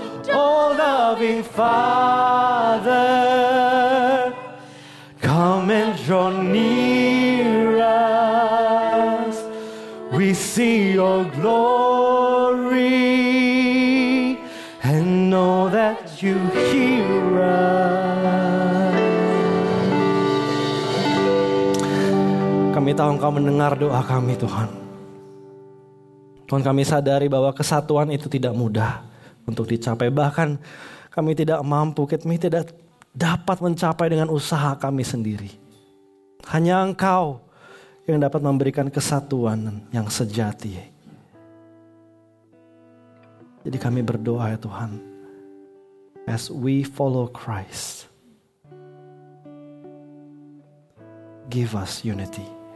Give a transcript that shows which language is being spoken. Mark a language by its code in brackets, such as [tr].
[en] Oh loving Father, come and draw near us. We see your glory and know that you hear us. [id] Kami tahu Engkau mendengar doa kami, Tuhan. Tuhan, kami sadari bahwa kesatuan itu tidak mudah untuk dicapai. Bahkan kami tidak mampu, kami tidak dapat mencapai dengan usaha kami sendiri. Hanya Engkau yang dapat memberikan kesatuan yang sejati. Jadi kami berdoa ya Tuhan, [en] as we follow Christ, give us unity.